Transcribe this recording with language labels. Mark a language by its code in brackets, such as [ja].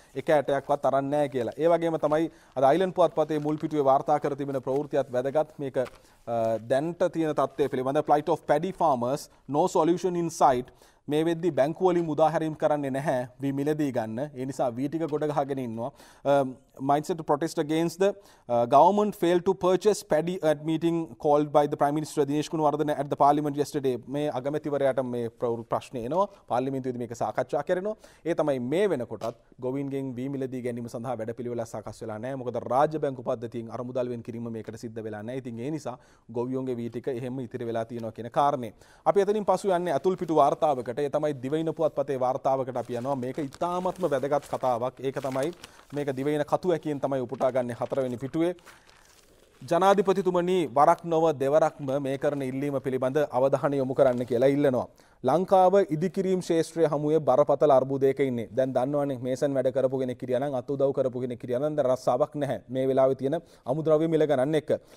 [si] එක ඇටයක්වත් අරන් නැහැ කියලා. ඒ වගේම තමයි අද අයිලන් පුවත්පතේ මුල් පිටුවේ වාර්තා කර තිබෙන ප්‍රවෘත්තියත් වැදගත්. මේක දැන්ට තියෙන තත්ත්වය පිළිබඳ [en] Plight of paddy farmers no solution in sight. [si] මේ වෙද්දි බැංකු වලින් උදාහරණයක් කරන්නේ නැහැ වී මිලදී ගන්න. ඒ නිසා වී ටික ගොඩ ගහගෙන ඉන්නවා. [en] Mindset to protest against the government failed to purchase paddy at meeting called by the Prime Minister Dinesh Gunawardana at the parliament yesterday. [si] මේ අගමැතිවරයාට මේ ප්‍රශ්නේ එනවා. පාර්ලිමේන්තුවේදී මේක සාකච්ඡා කරනවා. ඒ තමයි මේ වෙනකොටත් ගොවීන්ගෙන් වී මිලදී ගැනීම සඳහා වැඩපිළිවෙළක් සකස් වෙලා නැහැ. මොකද රාජ්‍ය බැංකු පද්ධතියෙන් අරමුදල් වෙන් කිරීම මේකට සිද්ධ වෙලා නැහැ. ඉතින් ඒ නිසා ගොවියෝගේ වී ටික එහෙම ඉතිරි වෙලා තියෙනවා කියන කාරණේ. අපි එතනින් පසු යන්නේ අතුල් පිටු වාර්තාවකට. පටේ තමයි දිවයින පුවත්පතේ වාර්තාවකට අපි යනවා මේක ඉතාමත්ම වැදගත් කතාවක් ඒක තමයි මේක දිවයින කතුවැකියෙන් තමයි උපුටා ගන්න හතරවෙනි පිටුවේ ජනාධිපතිතුමනි වරක් නොව දෙවරක්ම මේ කරන ඉල්ලීම පිළිබඳ අවධානය යොමු කරන්න කියලා ඉල්ලනවා ලංකාව ඉදිකිරීම් ශාස්ත්‍රය හමුවේ බරපතල අර්බුදයක ඉන්නේ දැන් දන්නවනේ මේසන් වැඩ කරපු කෙනෙක් කිරියා නම් අත් උදව් කරපු කෙනෙක් කිරියා නම් දැන් රස්සාවක් නැහැ මේ වෙලාවේ තියෙන අමුද්‍රව්‍ය මිල ගණන් එක